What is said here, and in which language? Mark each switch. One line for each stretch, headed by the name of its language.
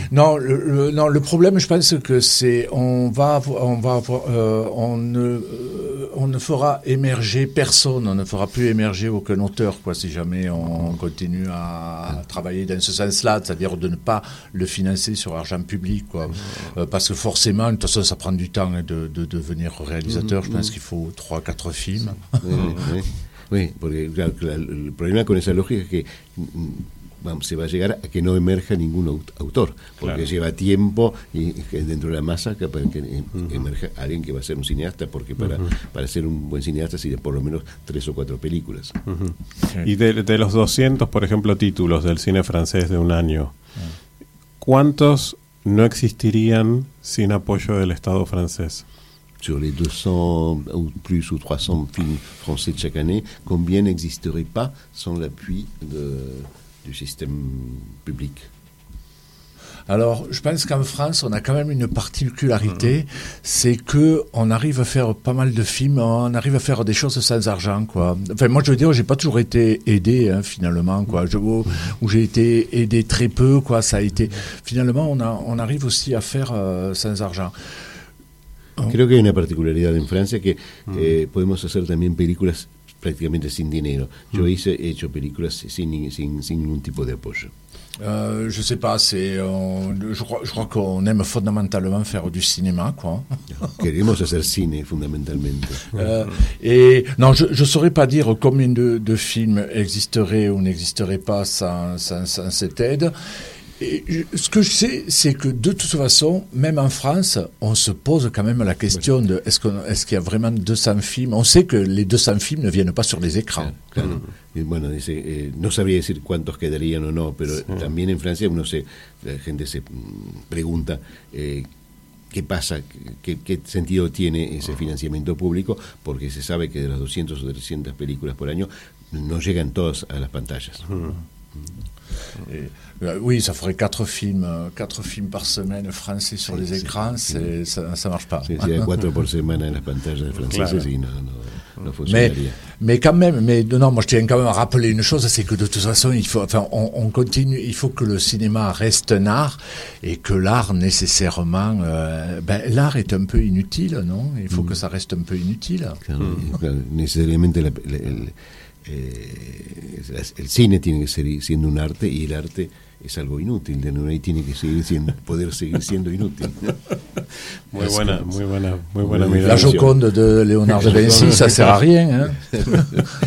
French: Non, le problème, je pense que c'est on ne fera émerger personne, on ne fera plus émerger aucun auteur, quoi, si jamais on continue à travailler dans ce sens-là, c'est-à-dire de ne pas le financer sur argent public, quoi. Parce que forcément, de toute façon, ça prend du temps de devenir réalisateur. Je pense qu'il faut 3-4 films. Oui, parce que le problème avec cette logique, c'est que.
Spanish: Se va a llegar a que no emerja ningún autor, porque claro. Lleva tiempo y dentro de la masa que para que emerja alguien que va a ser un cineasta, porque para ser un buen cineasta sirve por lo menos 3 o 4 películas. Y de los 200, por ejemplo, títulos del cine francés de un año, ¿cuántos no existirían sin apoyo del Estado francés?
French: Sur les 200 ou plus ou 300 films français de chaque année, combien n'existerait pas sans l'appui de du système public? Alors, je pense qu'en France, on a quand même une particularité, c'est que on arrive à faire pas mal de films, on arrive à faire des choses sans argent, quoi. Enfin, moi, je veux dire, j'ai pas toujours été aidé, hein, finalement, quoi. J'ai été aidé très peu, quoi. Ça a été. Finalement, on arrive aussi à faire sans argent.
Spanish: Creo que hay una particularidad en Francia que podemos hacer también películas prácticamente sin dinero. Yo he hecho películas sin ningún tipo de apoyo.
French: Je sais pas, je crois qu'on aime fondamentalement faire du cinéma, quoi.
Spanish: Queremos hacer cine, fondamentalmente.
French: Et non, je saurais pas dire combien de films existeraient ou n'existeraient pas sans cette aide. Et ce que je sais, c'est que de toute façon, même en France, on se pose quand même la question de est-ce qu'il y a vraiment 200 films. On sait que les 200 films ne viennent pas sur les écrans.
Spanish: Bueno, dice, no sabría decir cuántos quedarían o no, pero también en Francia uno se, la gente se pregunta qué pasa, qué sentido tiene ese financiamiento público, porque se sabe que de las 200 o 300 películas por año no llegan todas a las pantallas.
French: Oui, ça ferait 4 films par semaine français sur les écrans, ça marche pas. Si, 4 par semaine les pantalles françaises, claro. Non. Mais quand même, moi je tiens quand même à rappeler une chose, c'est que de toute façon, il faut que le cinéma reste un art et que l'art nécessairement. L'art est un peu inutile, non? Il faut que ça reste un peu inutile. Nécessairement,
Spanish: el cine tiene que seguir siendo un arte y el arte es algo inútil, de nuevo, y tiene que poder seguir siendo inútil. Muy buena mirada.
French: La Joconde de Leonardo da Vinci, ça sert a rien, ¿eh?